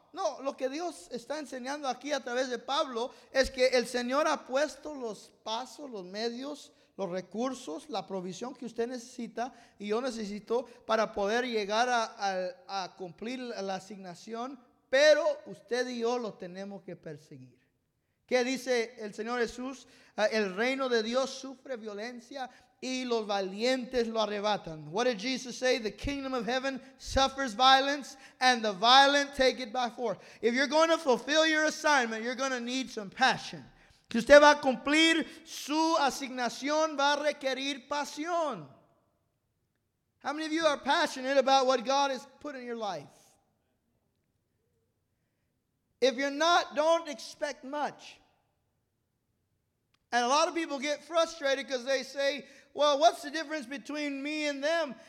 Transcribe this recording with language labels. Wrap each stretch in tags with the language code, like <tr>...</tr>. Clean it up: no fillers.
<es>No, lo que Dios está enseñando aquí a través de Pablo es que el Señor ha puesto los pasos, los medios, los recursos, la provisión que usted necesita y yo necesito para poder llegar a cumplir la asignación, pero usted y yo lo tenemos que perseguir. ¿Qué dice el Señor Jesús? El reino de Dios sufre violencia y los valientes lo arrebatan.</es> <en>What did Jesus say? The kingdom of heaven suffers violence and the violent take it by force. If you're going to fulfill your assignment, you're going to need some passion.</en> <es>Si usted va a cumplir su asignación, va a requerir pasión.</es> <en>How many of you are passionate about what God has put in your life? If you're not, don't expect much. And a lot of people get frustrated because they say, well, what's the difference between me and them?</en>